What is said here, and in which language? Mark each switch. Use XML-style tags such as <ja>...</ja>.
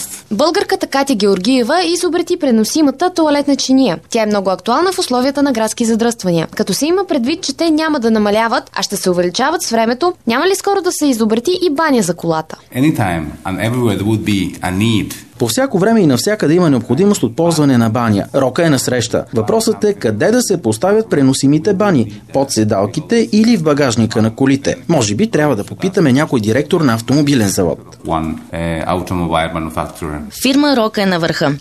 <bg>Българката Катя Георгиева изобрети преносимата тоалетна чиния. Тя е много актуална в условията на градски задръствания. Като се има предвид, че те няма да намаляват, а ще се увеличават с времето, няма ли скоро да се изобрети и баня за колата?</bg> <en>Anytime and everywhere there would be a need.</en> <bg>По всяко време и навсякъде има необходимост от ползване на баня. Рока е насреща. Въпросът е къде да се поставят преносимите бани – под седалките или в багажника на колите. Може би трябва да попитаме някой директор на автомобилен завод. Фирма Рока е на върха.</bg>